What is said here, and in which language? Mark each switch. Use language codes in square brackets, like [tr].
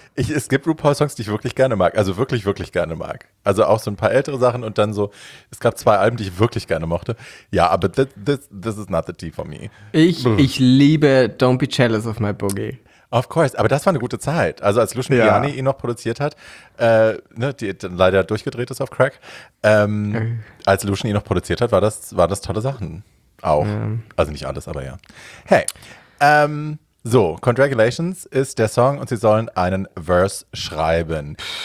[de] Es gibt RuPaul-Songs, die ich wirklich gerne mag. Also wirklich, wirklich gerne mag. Also auch so ein paar ältere Sachen und dann so, es gab zwei Alben, die ich wirklich gerne mochte. Ja, aber [en] this is not the tea for me. [de] Ich liebe Don't Be Jealous of My Boogie. [en] Of course, [de] aber das war eine gute Zeit. Also als Lucian Gianni ihn noch produziert hat, ne, die dann leider durchgedreht ist auf Crack, als Lucian ihn noch produziert hat, war das tolle Sachen. Auch. Ja. Also nicht alles, aber ja. Hey, so, Congratulations ist der Song und sie sollen einen Verse schreiben.